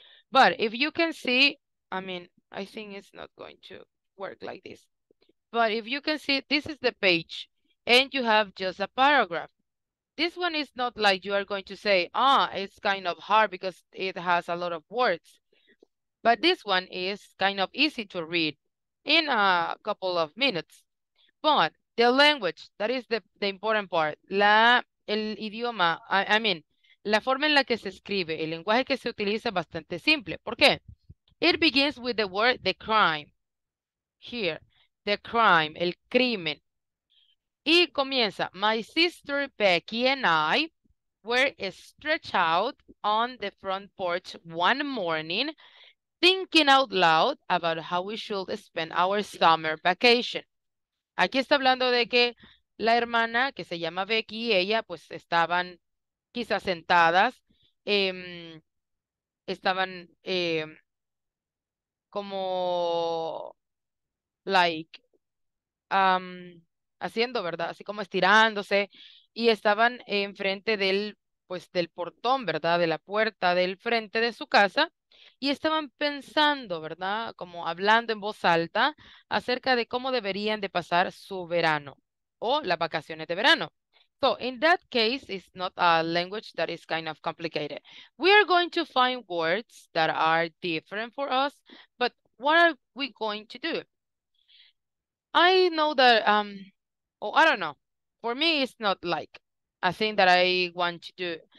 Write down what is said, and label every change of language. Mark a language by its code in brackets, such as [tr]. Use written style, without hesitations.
[en] But if you can see, I mean, I think it's not going to work like this. But if you can see, this is the page and you have just a paragraph. This one is not like you are going to say, ah, it's kind of hard because it has a lot of words. But this one is kind of easy to read in a couple of minutes. But the language, that is the important part. [es] El idioma, [en] I mean, [es] la forma en la que se escribe, el lenguaje que se utiliza es bastante simple. ¿Por qué? [en] It begins with the word the crime. Here, the crime, el crimen. [es] Y comienza, [en] my sister Becky and I were stretched out on the front porch one morning thinking out loud about how we should spend our summer vacation. [es] Aquí está hablando de que la hermana que se llama Becky y ella pues estaban quizás sentadas, estaban como, like, haciendo, ¿verdad? Así como estirándose y estaban enfrente del, pues, del portón, ¿verdad? De la puerta del frente de su casa y estaban pensando, ¿verdad? Como hablando en voz alta acerca de cómo deberían de pasar su verano o las vacaciones de verano. [en] So in that case, it's not a language that is kind of complicated. We are going to find words that are different for us, but what are we going to do? I know that, I don't know. For me, it's not like a thing that I want to do.